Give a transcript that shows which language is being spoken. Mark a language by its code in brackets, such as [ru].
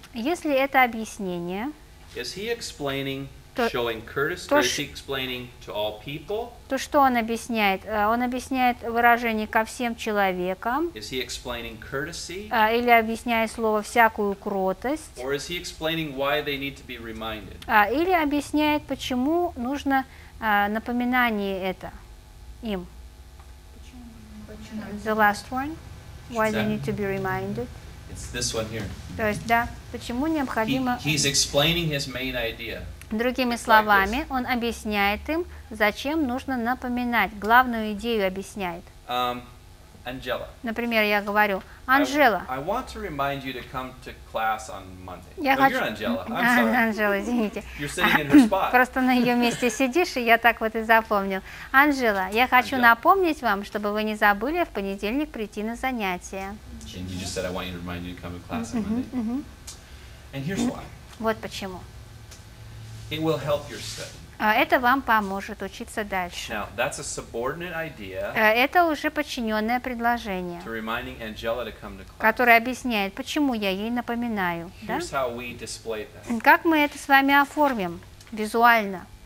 [ru] если это объяснение, [en] is he explaining, то, showing courtesy, то, is he explaining to all people? [ru] То что он объясняет? Он объясняет выражение ко всем человекам. [en] Is he explaining courtesy? [ru] Или объясняет слово «всякую кротость». [en] Or is he explaining why they need to be reminded? [ru] Или объясняет, почему нужно напоминание это. Им. [en] The last one. Why they need to be reminded? It's this one here. [ru] То есть, да, почему необходимо. [en] He's explaining his main idea. [ru] Другими словами, он объясняет им, зачем нужно напоминать. Главную идею объясняет. Анжела. Например, я говорю, Анжела. [en] I want to remind you to come to class on Monday. You're Анжела. [ru] Анжела, извините. [en] You're sitting in her spot. [ru] Просто на ее месте сидишь, и я так вот и запомнил. Анжела, я хочу напомнить вам, чтобы вы не забыли в понедельник прийти на занятия. [en] And you just said, I want you to remind you to come to class on Monday. And here's why. [ru] Вот почему. [en] It will help your study. [ru] Это вам поможет учиться дальше. [en] Now, that's a subordinate idea, [ru] это уже подчиненное предложение, [en] to reminding Angela to come to class. [ru] Которое объясняет, почему я ей напоминаю. [en] Here's [ru] да? [en] how we display that. [ru] Как мы это с вами оформим визуально?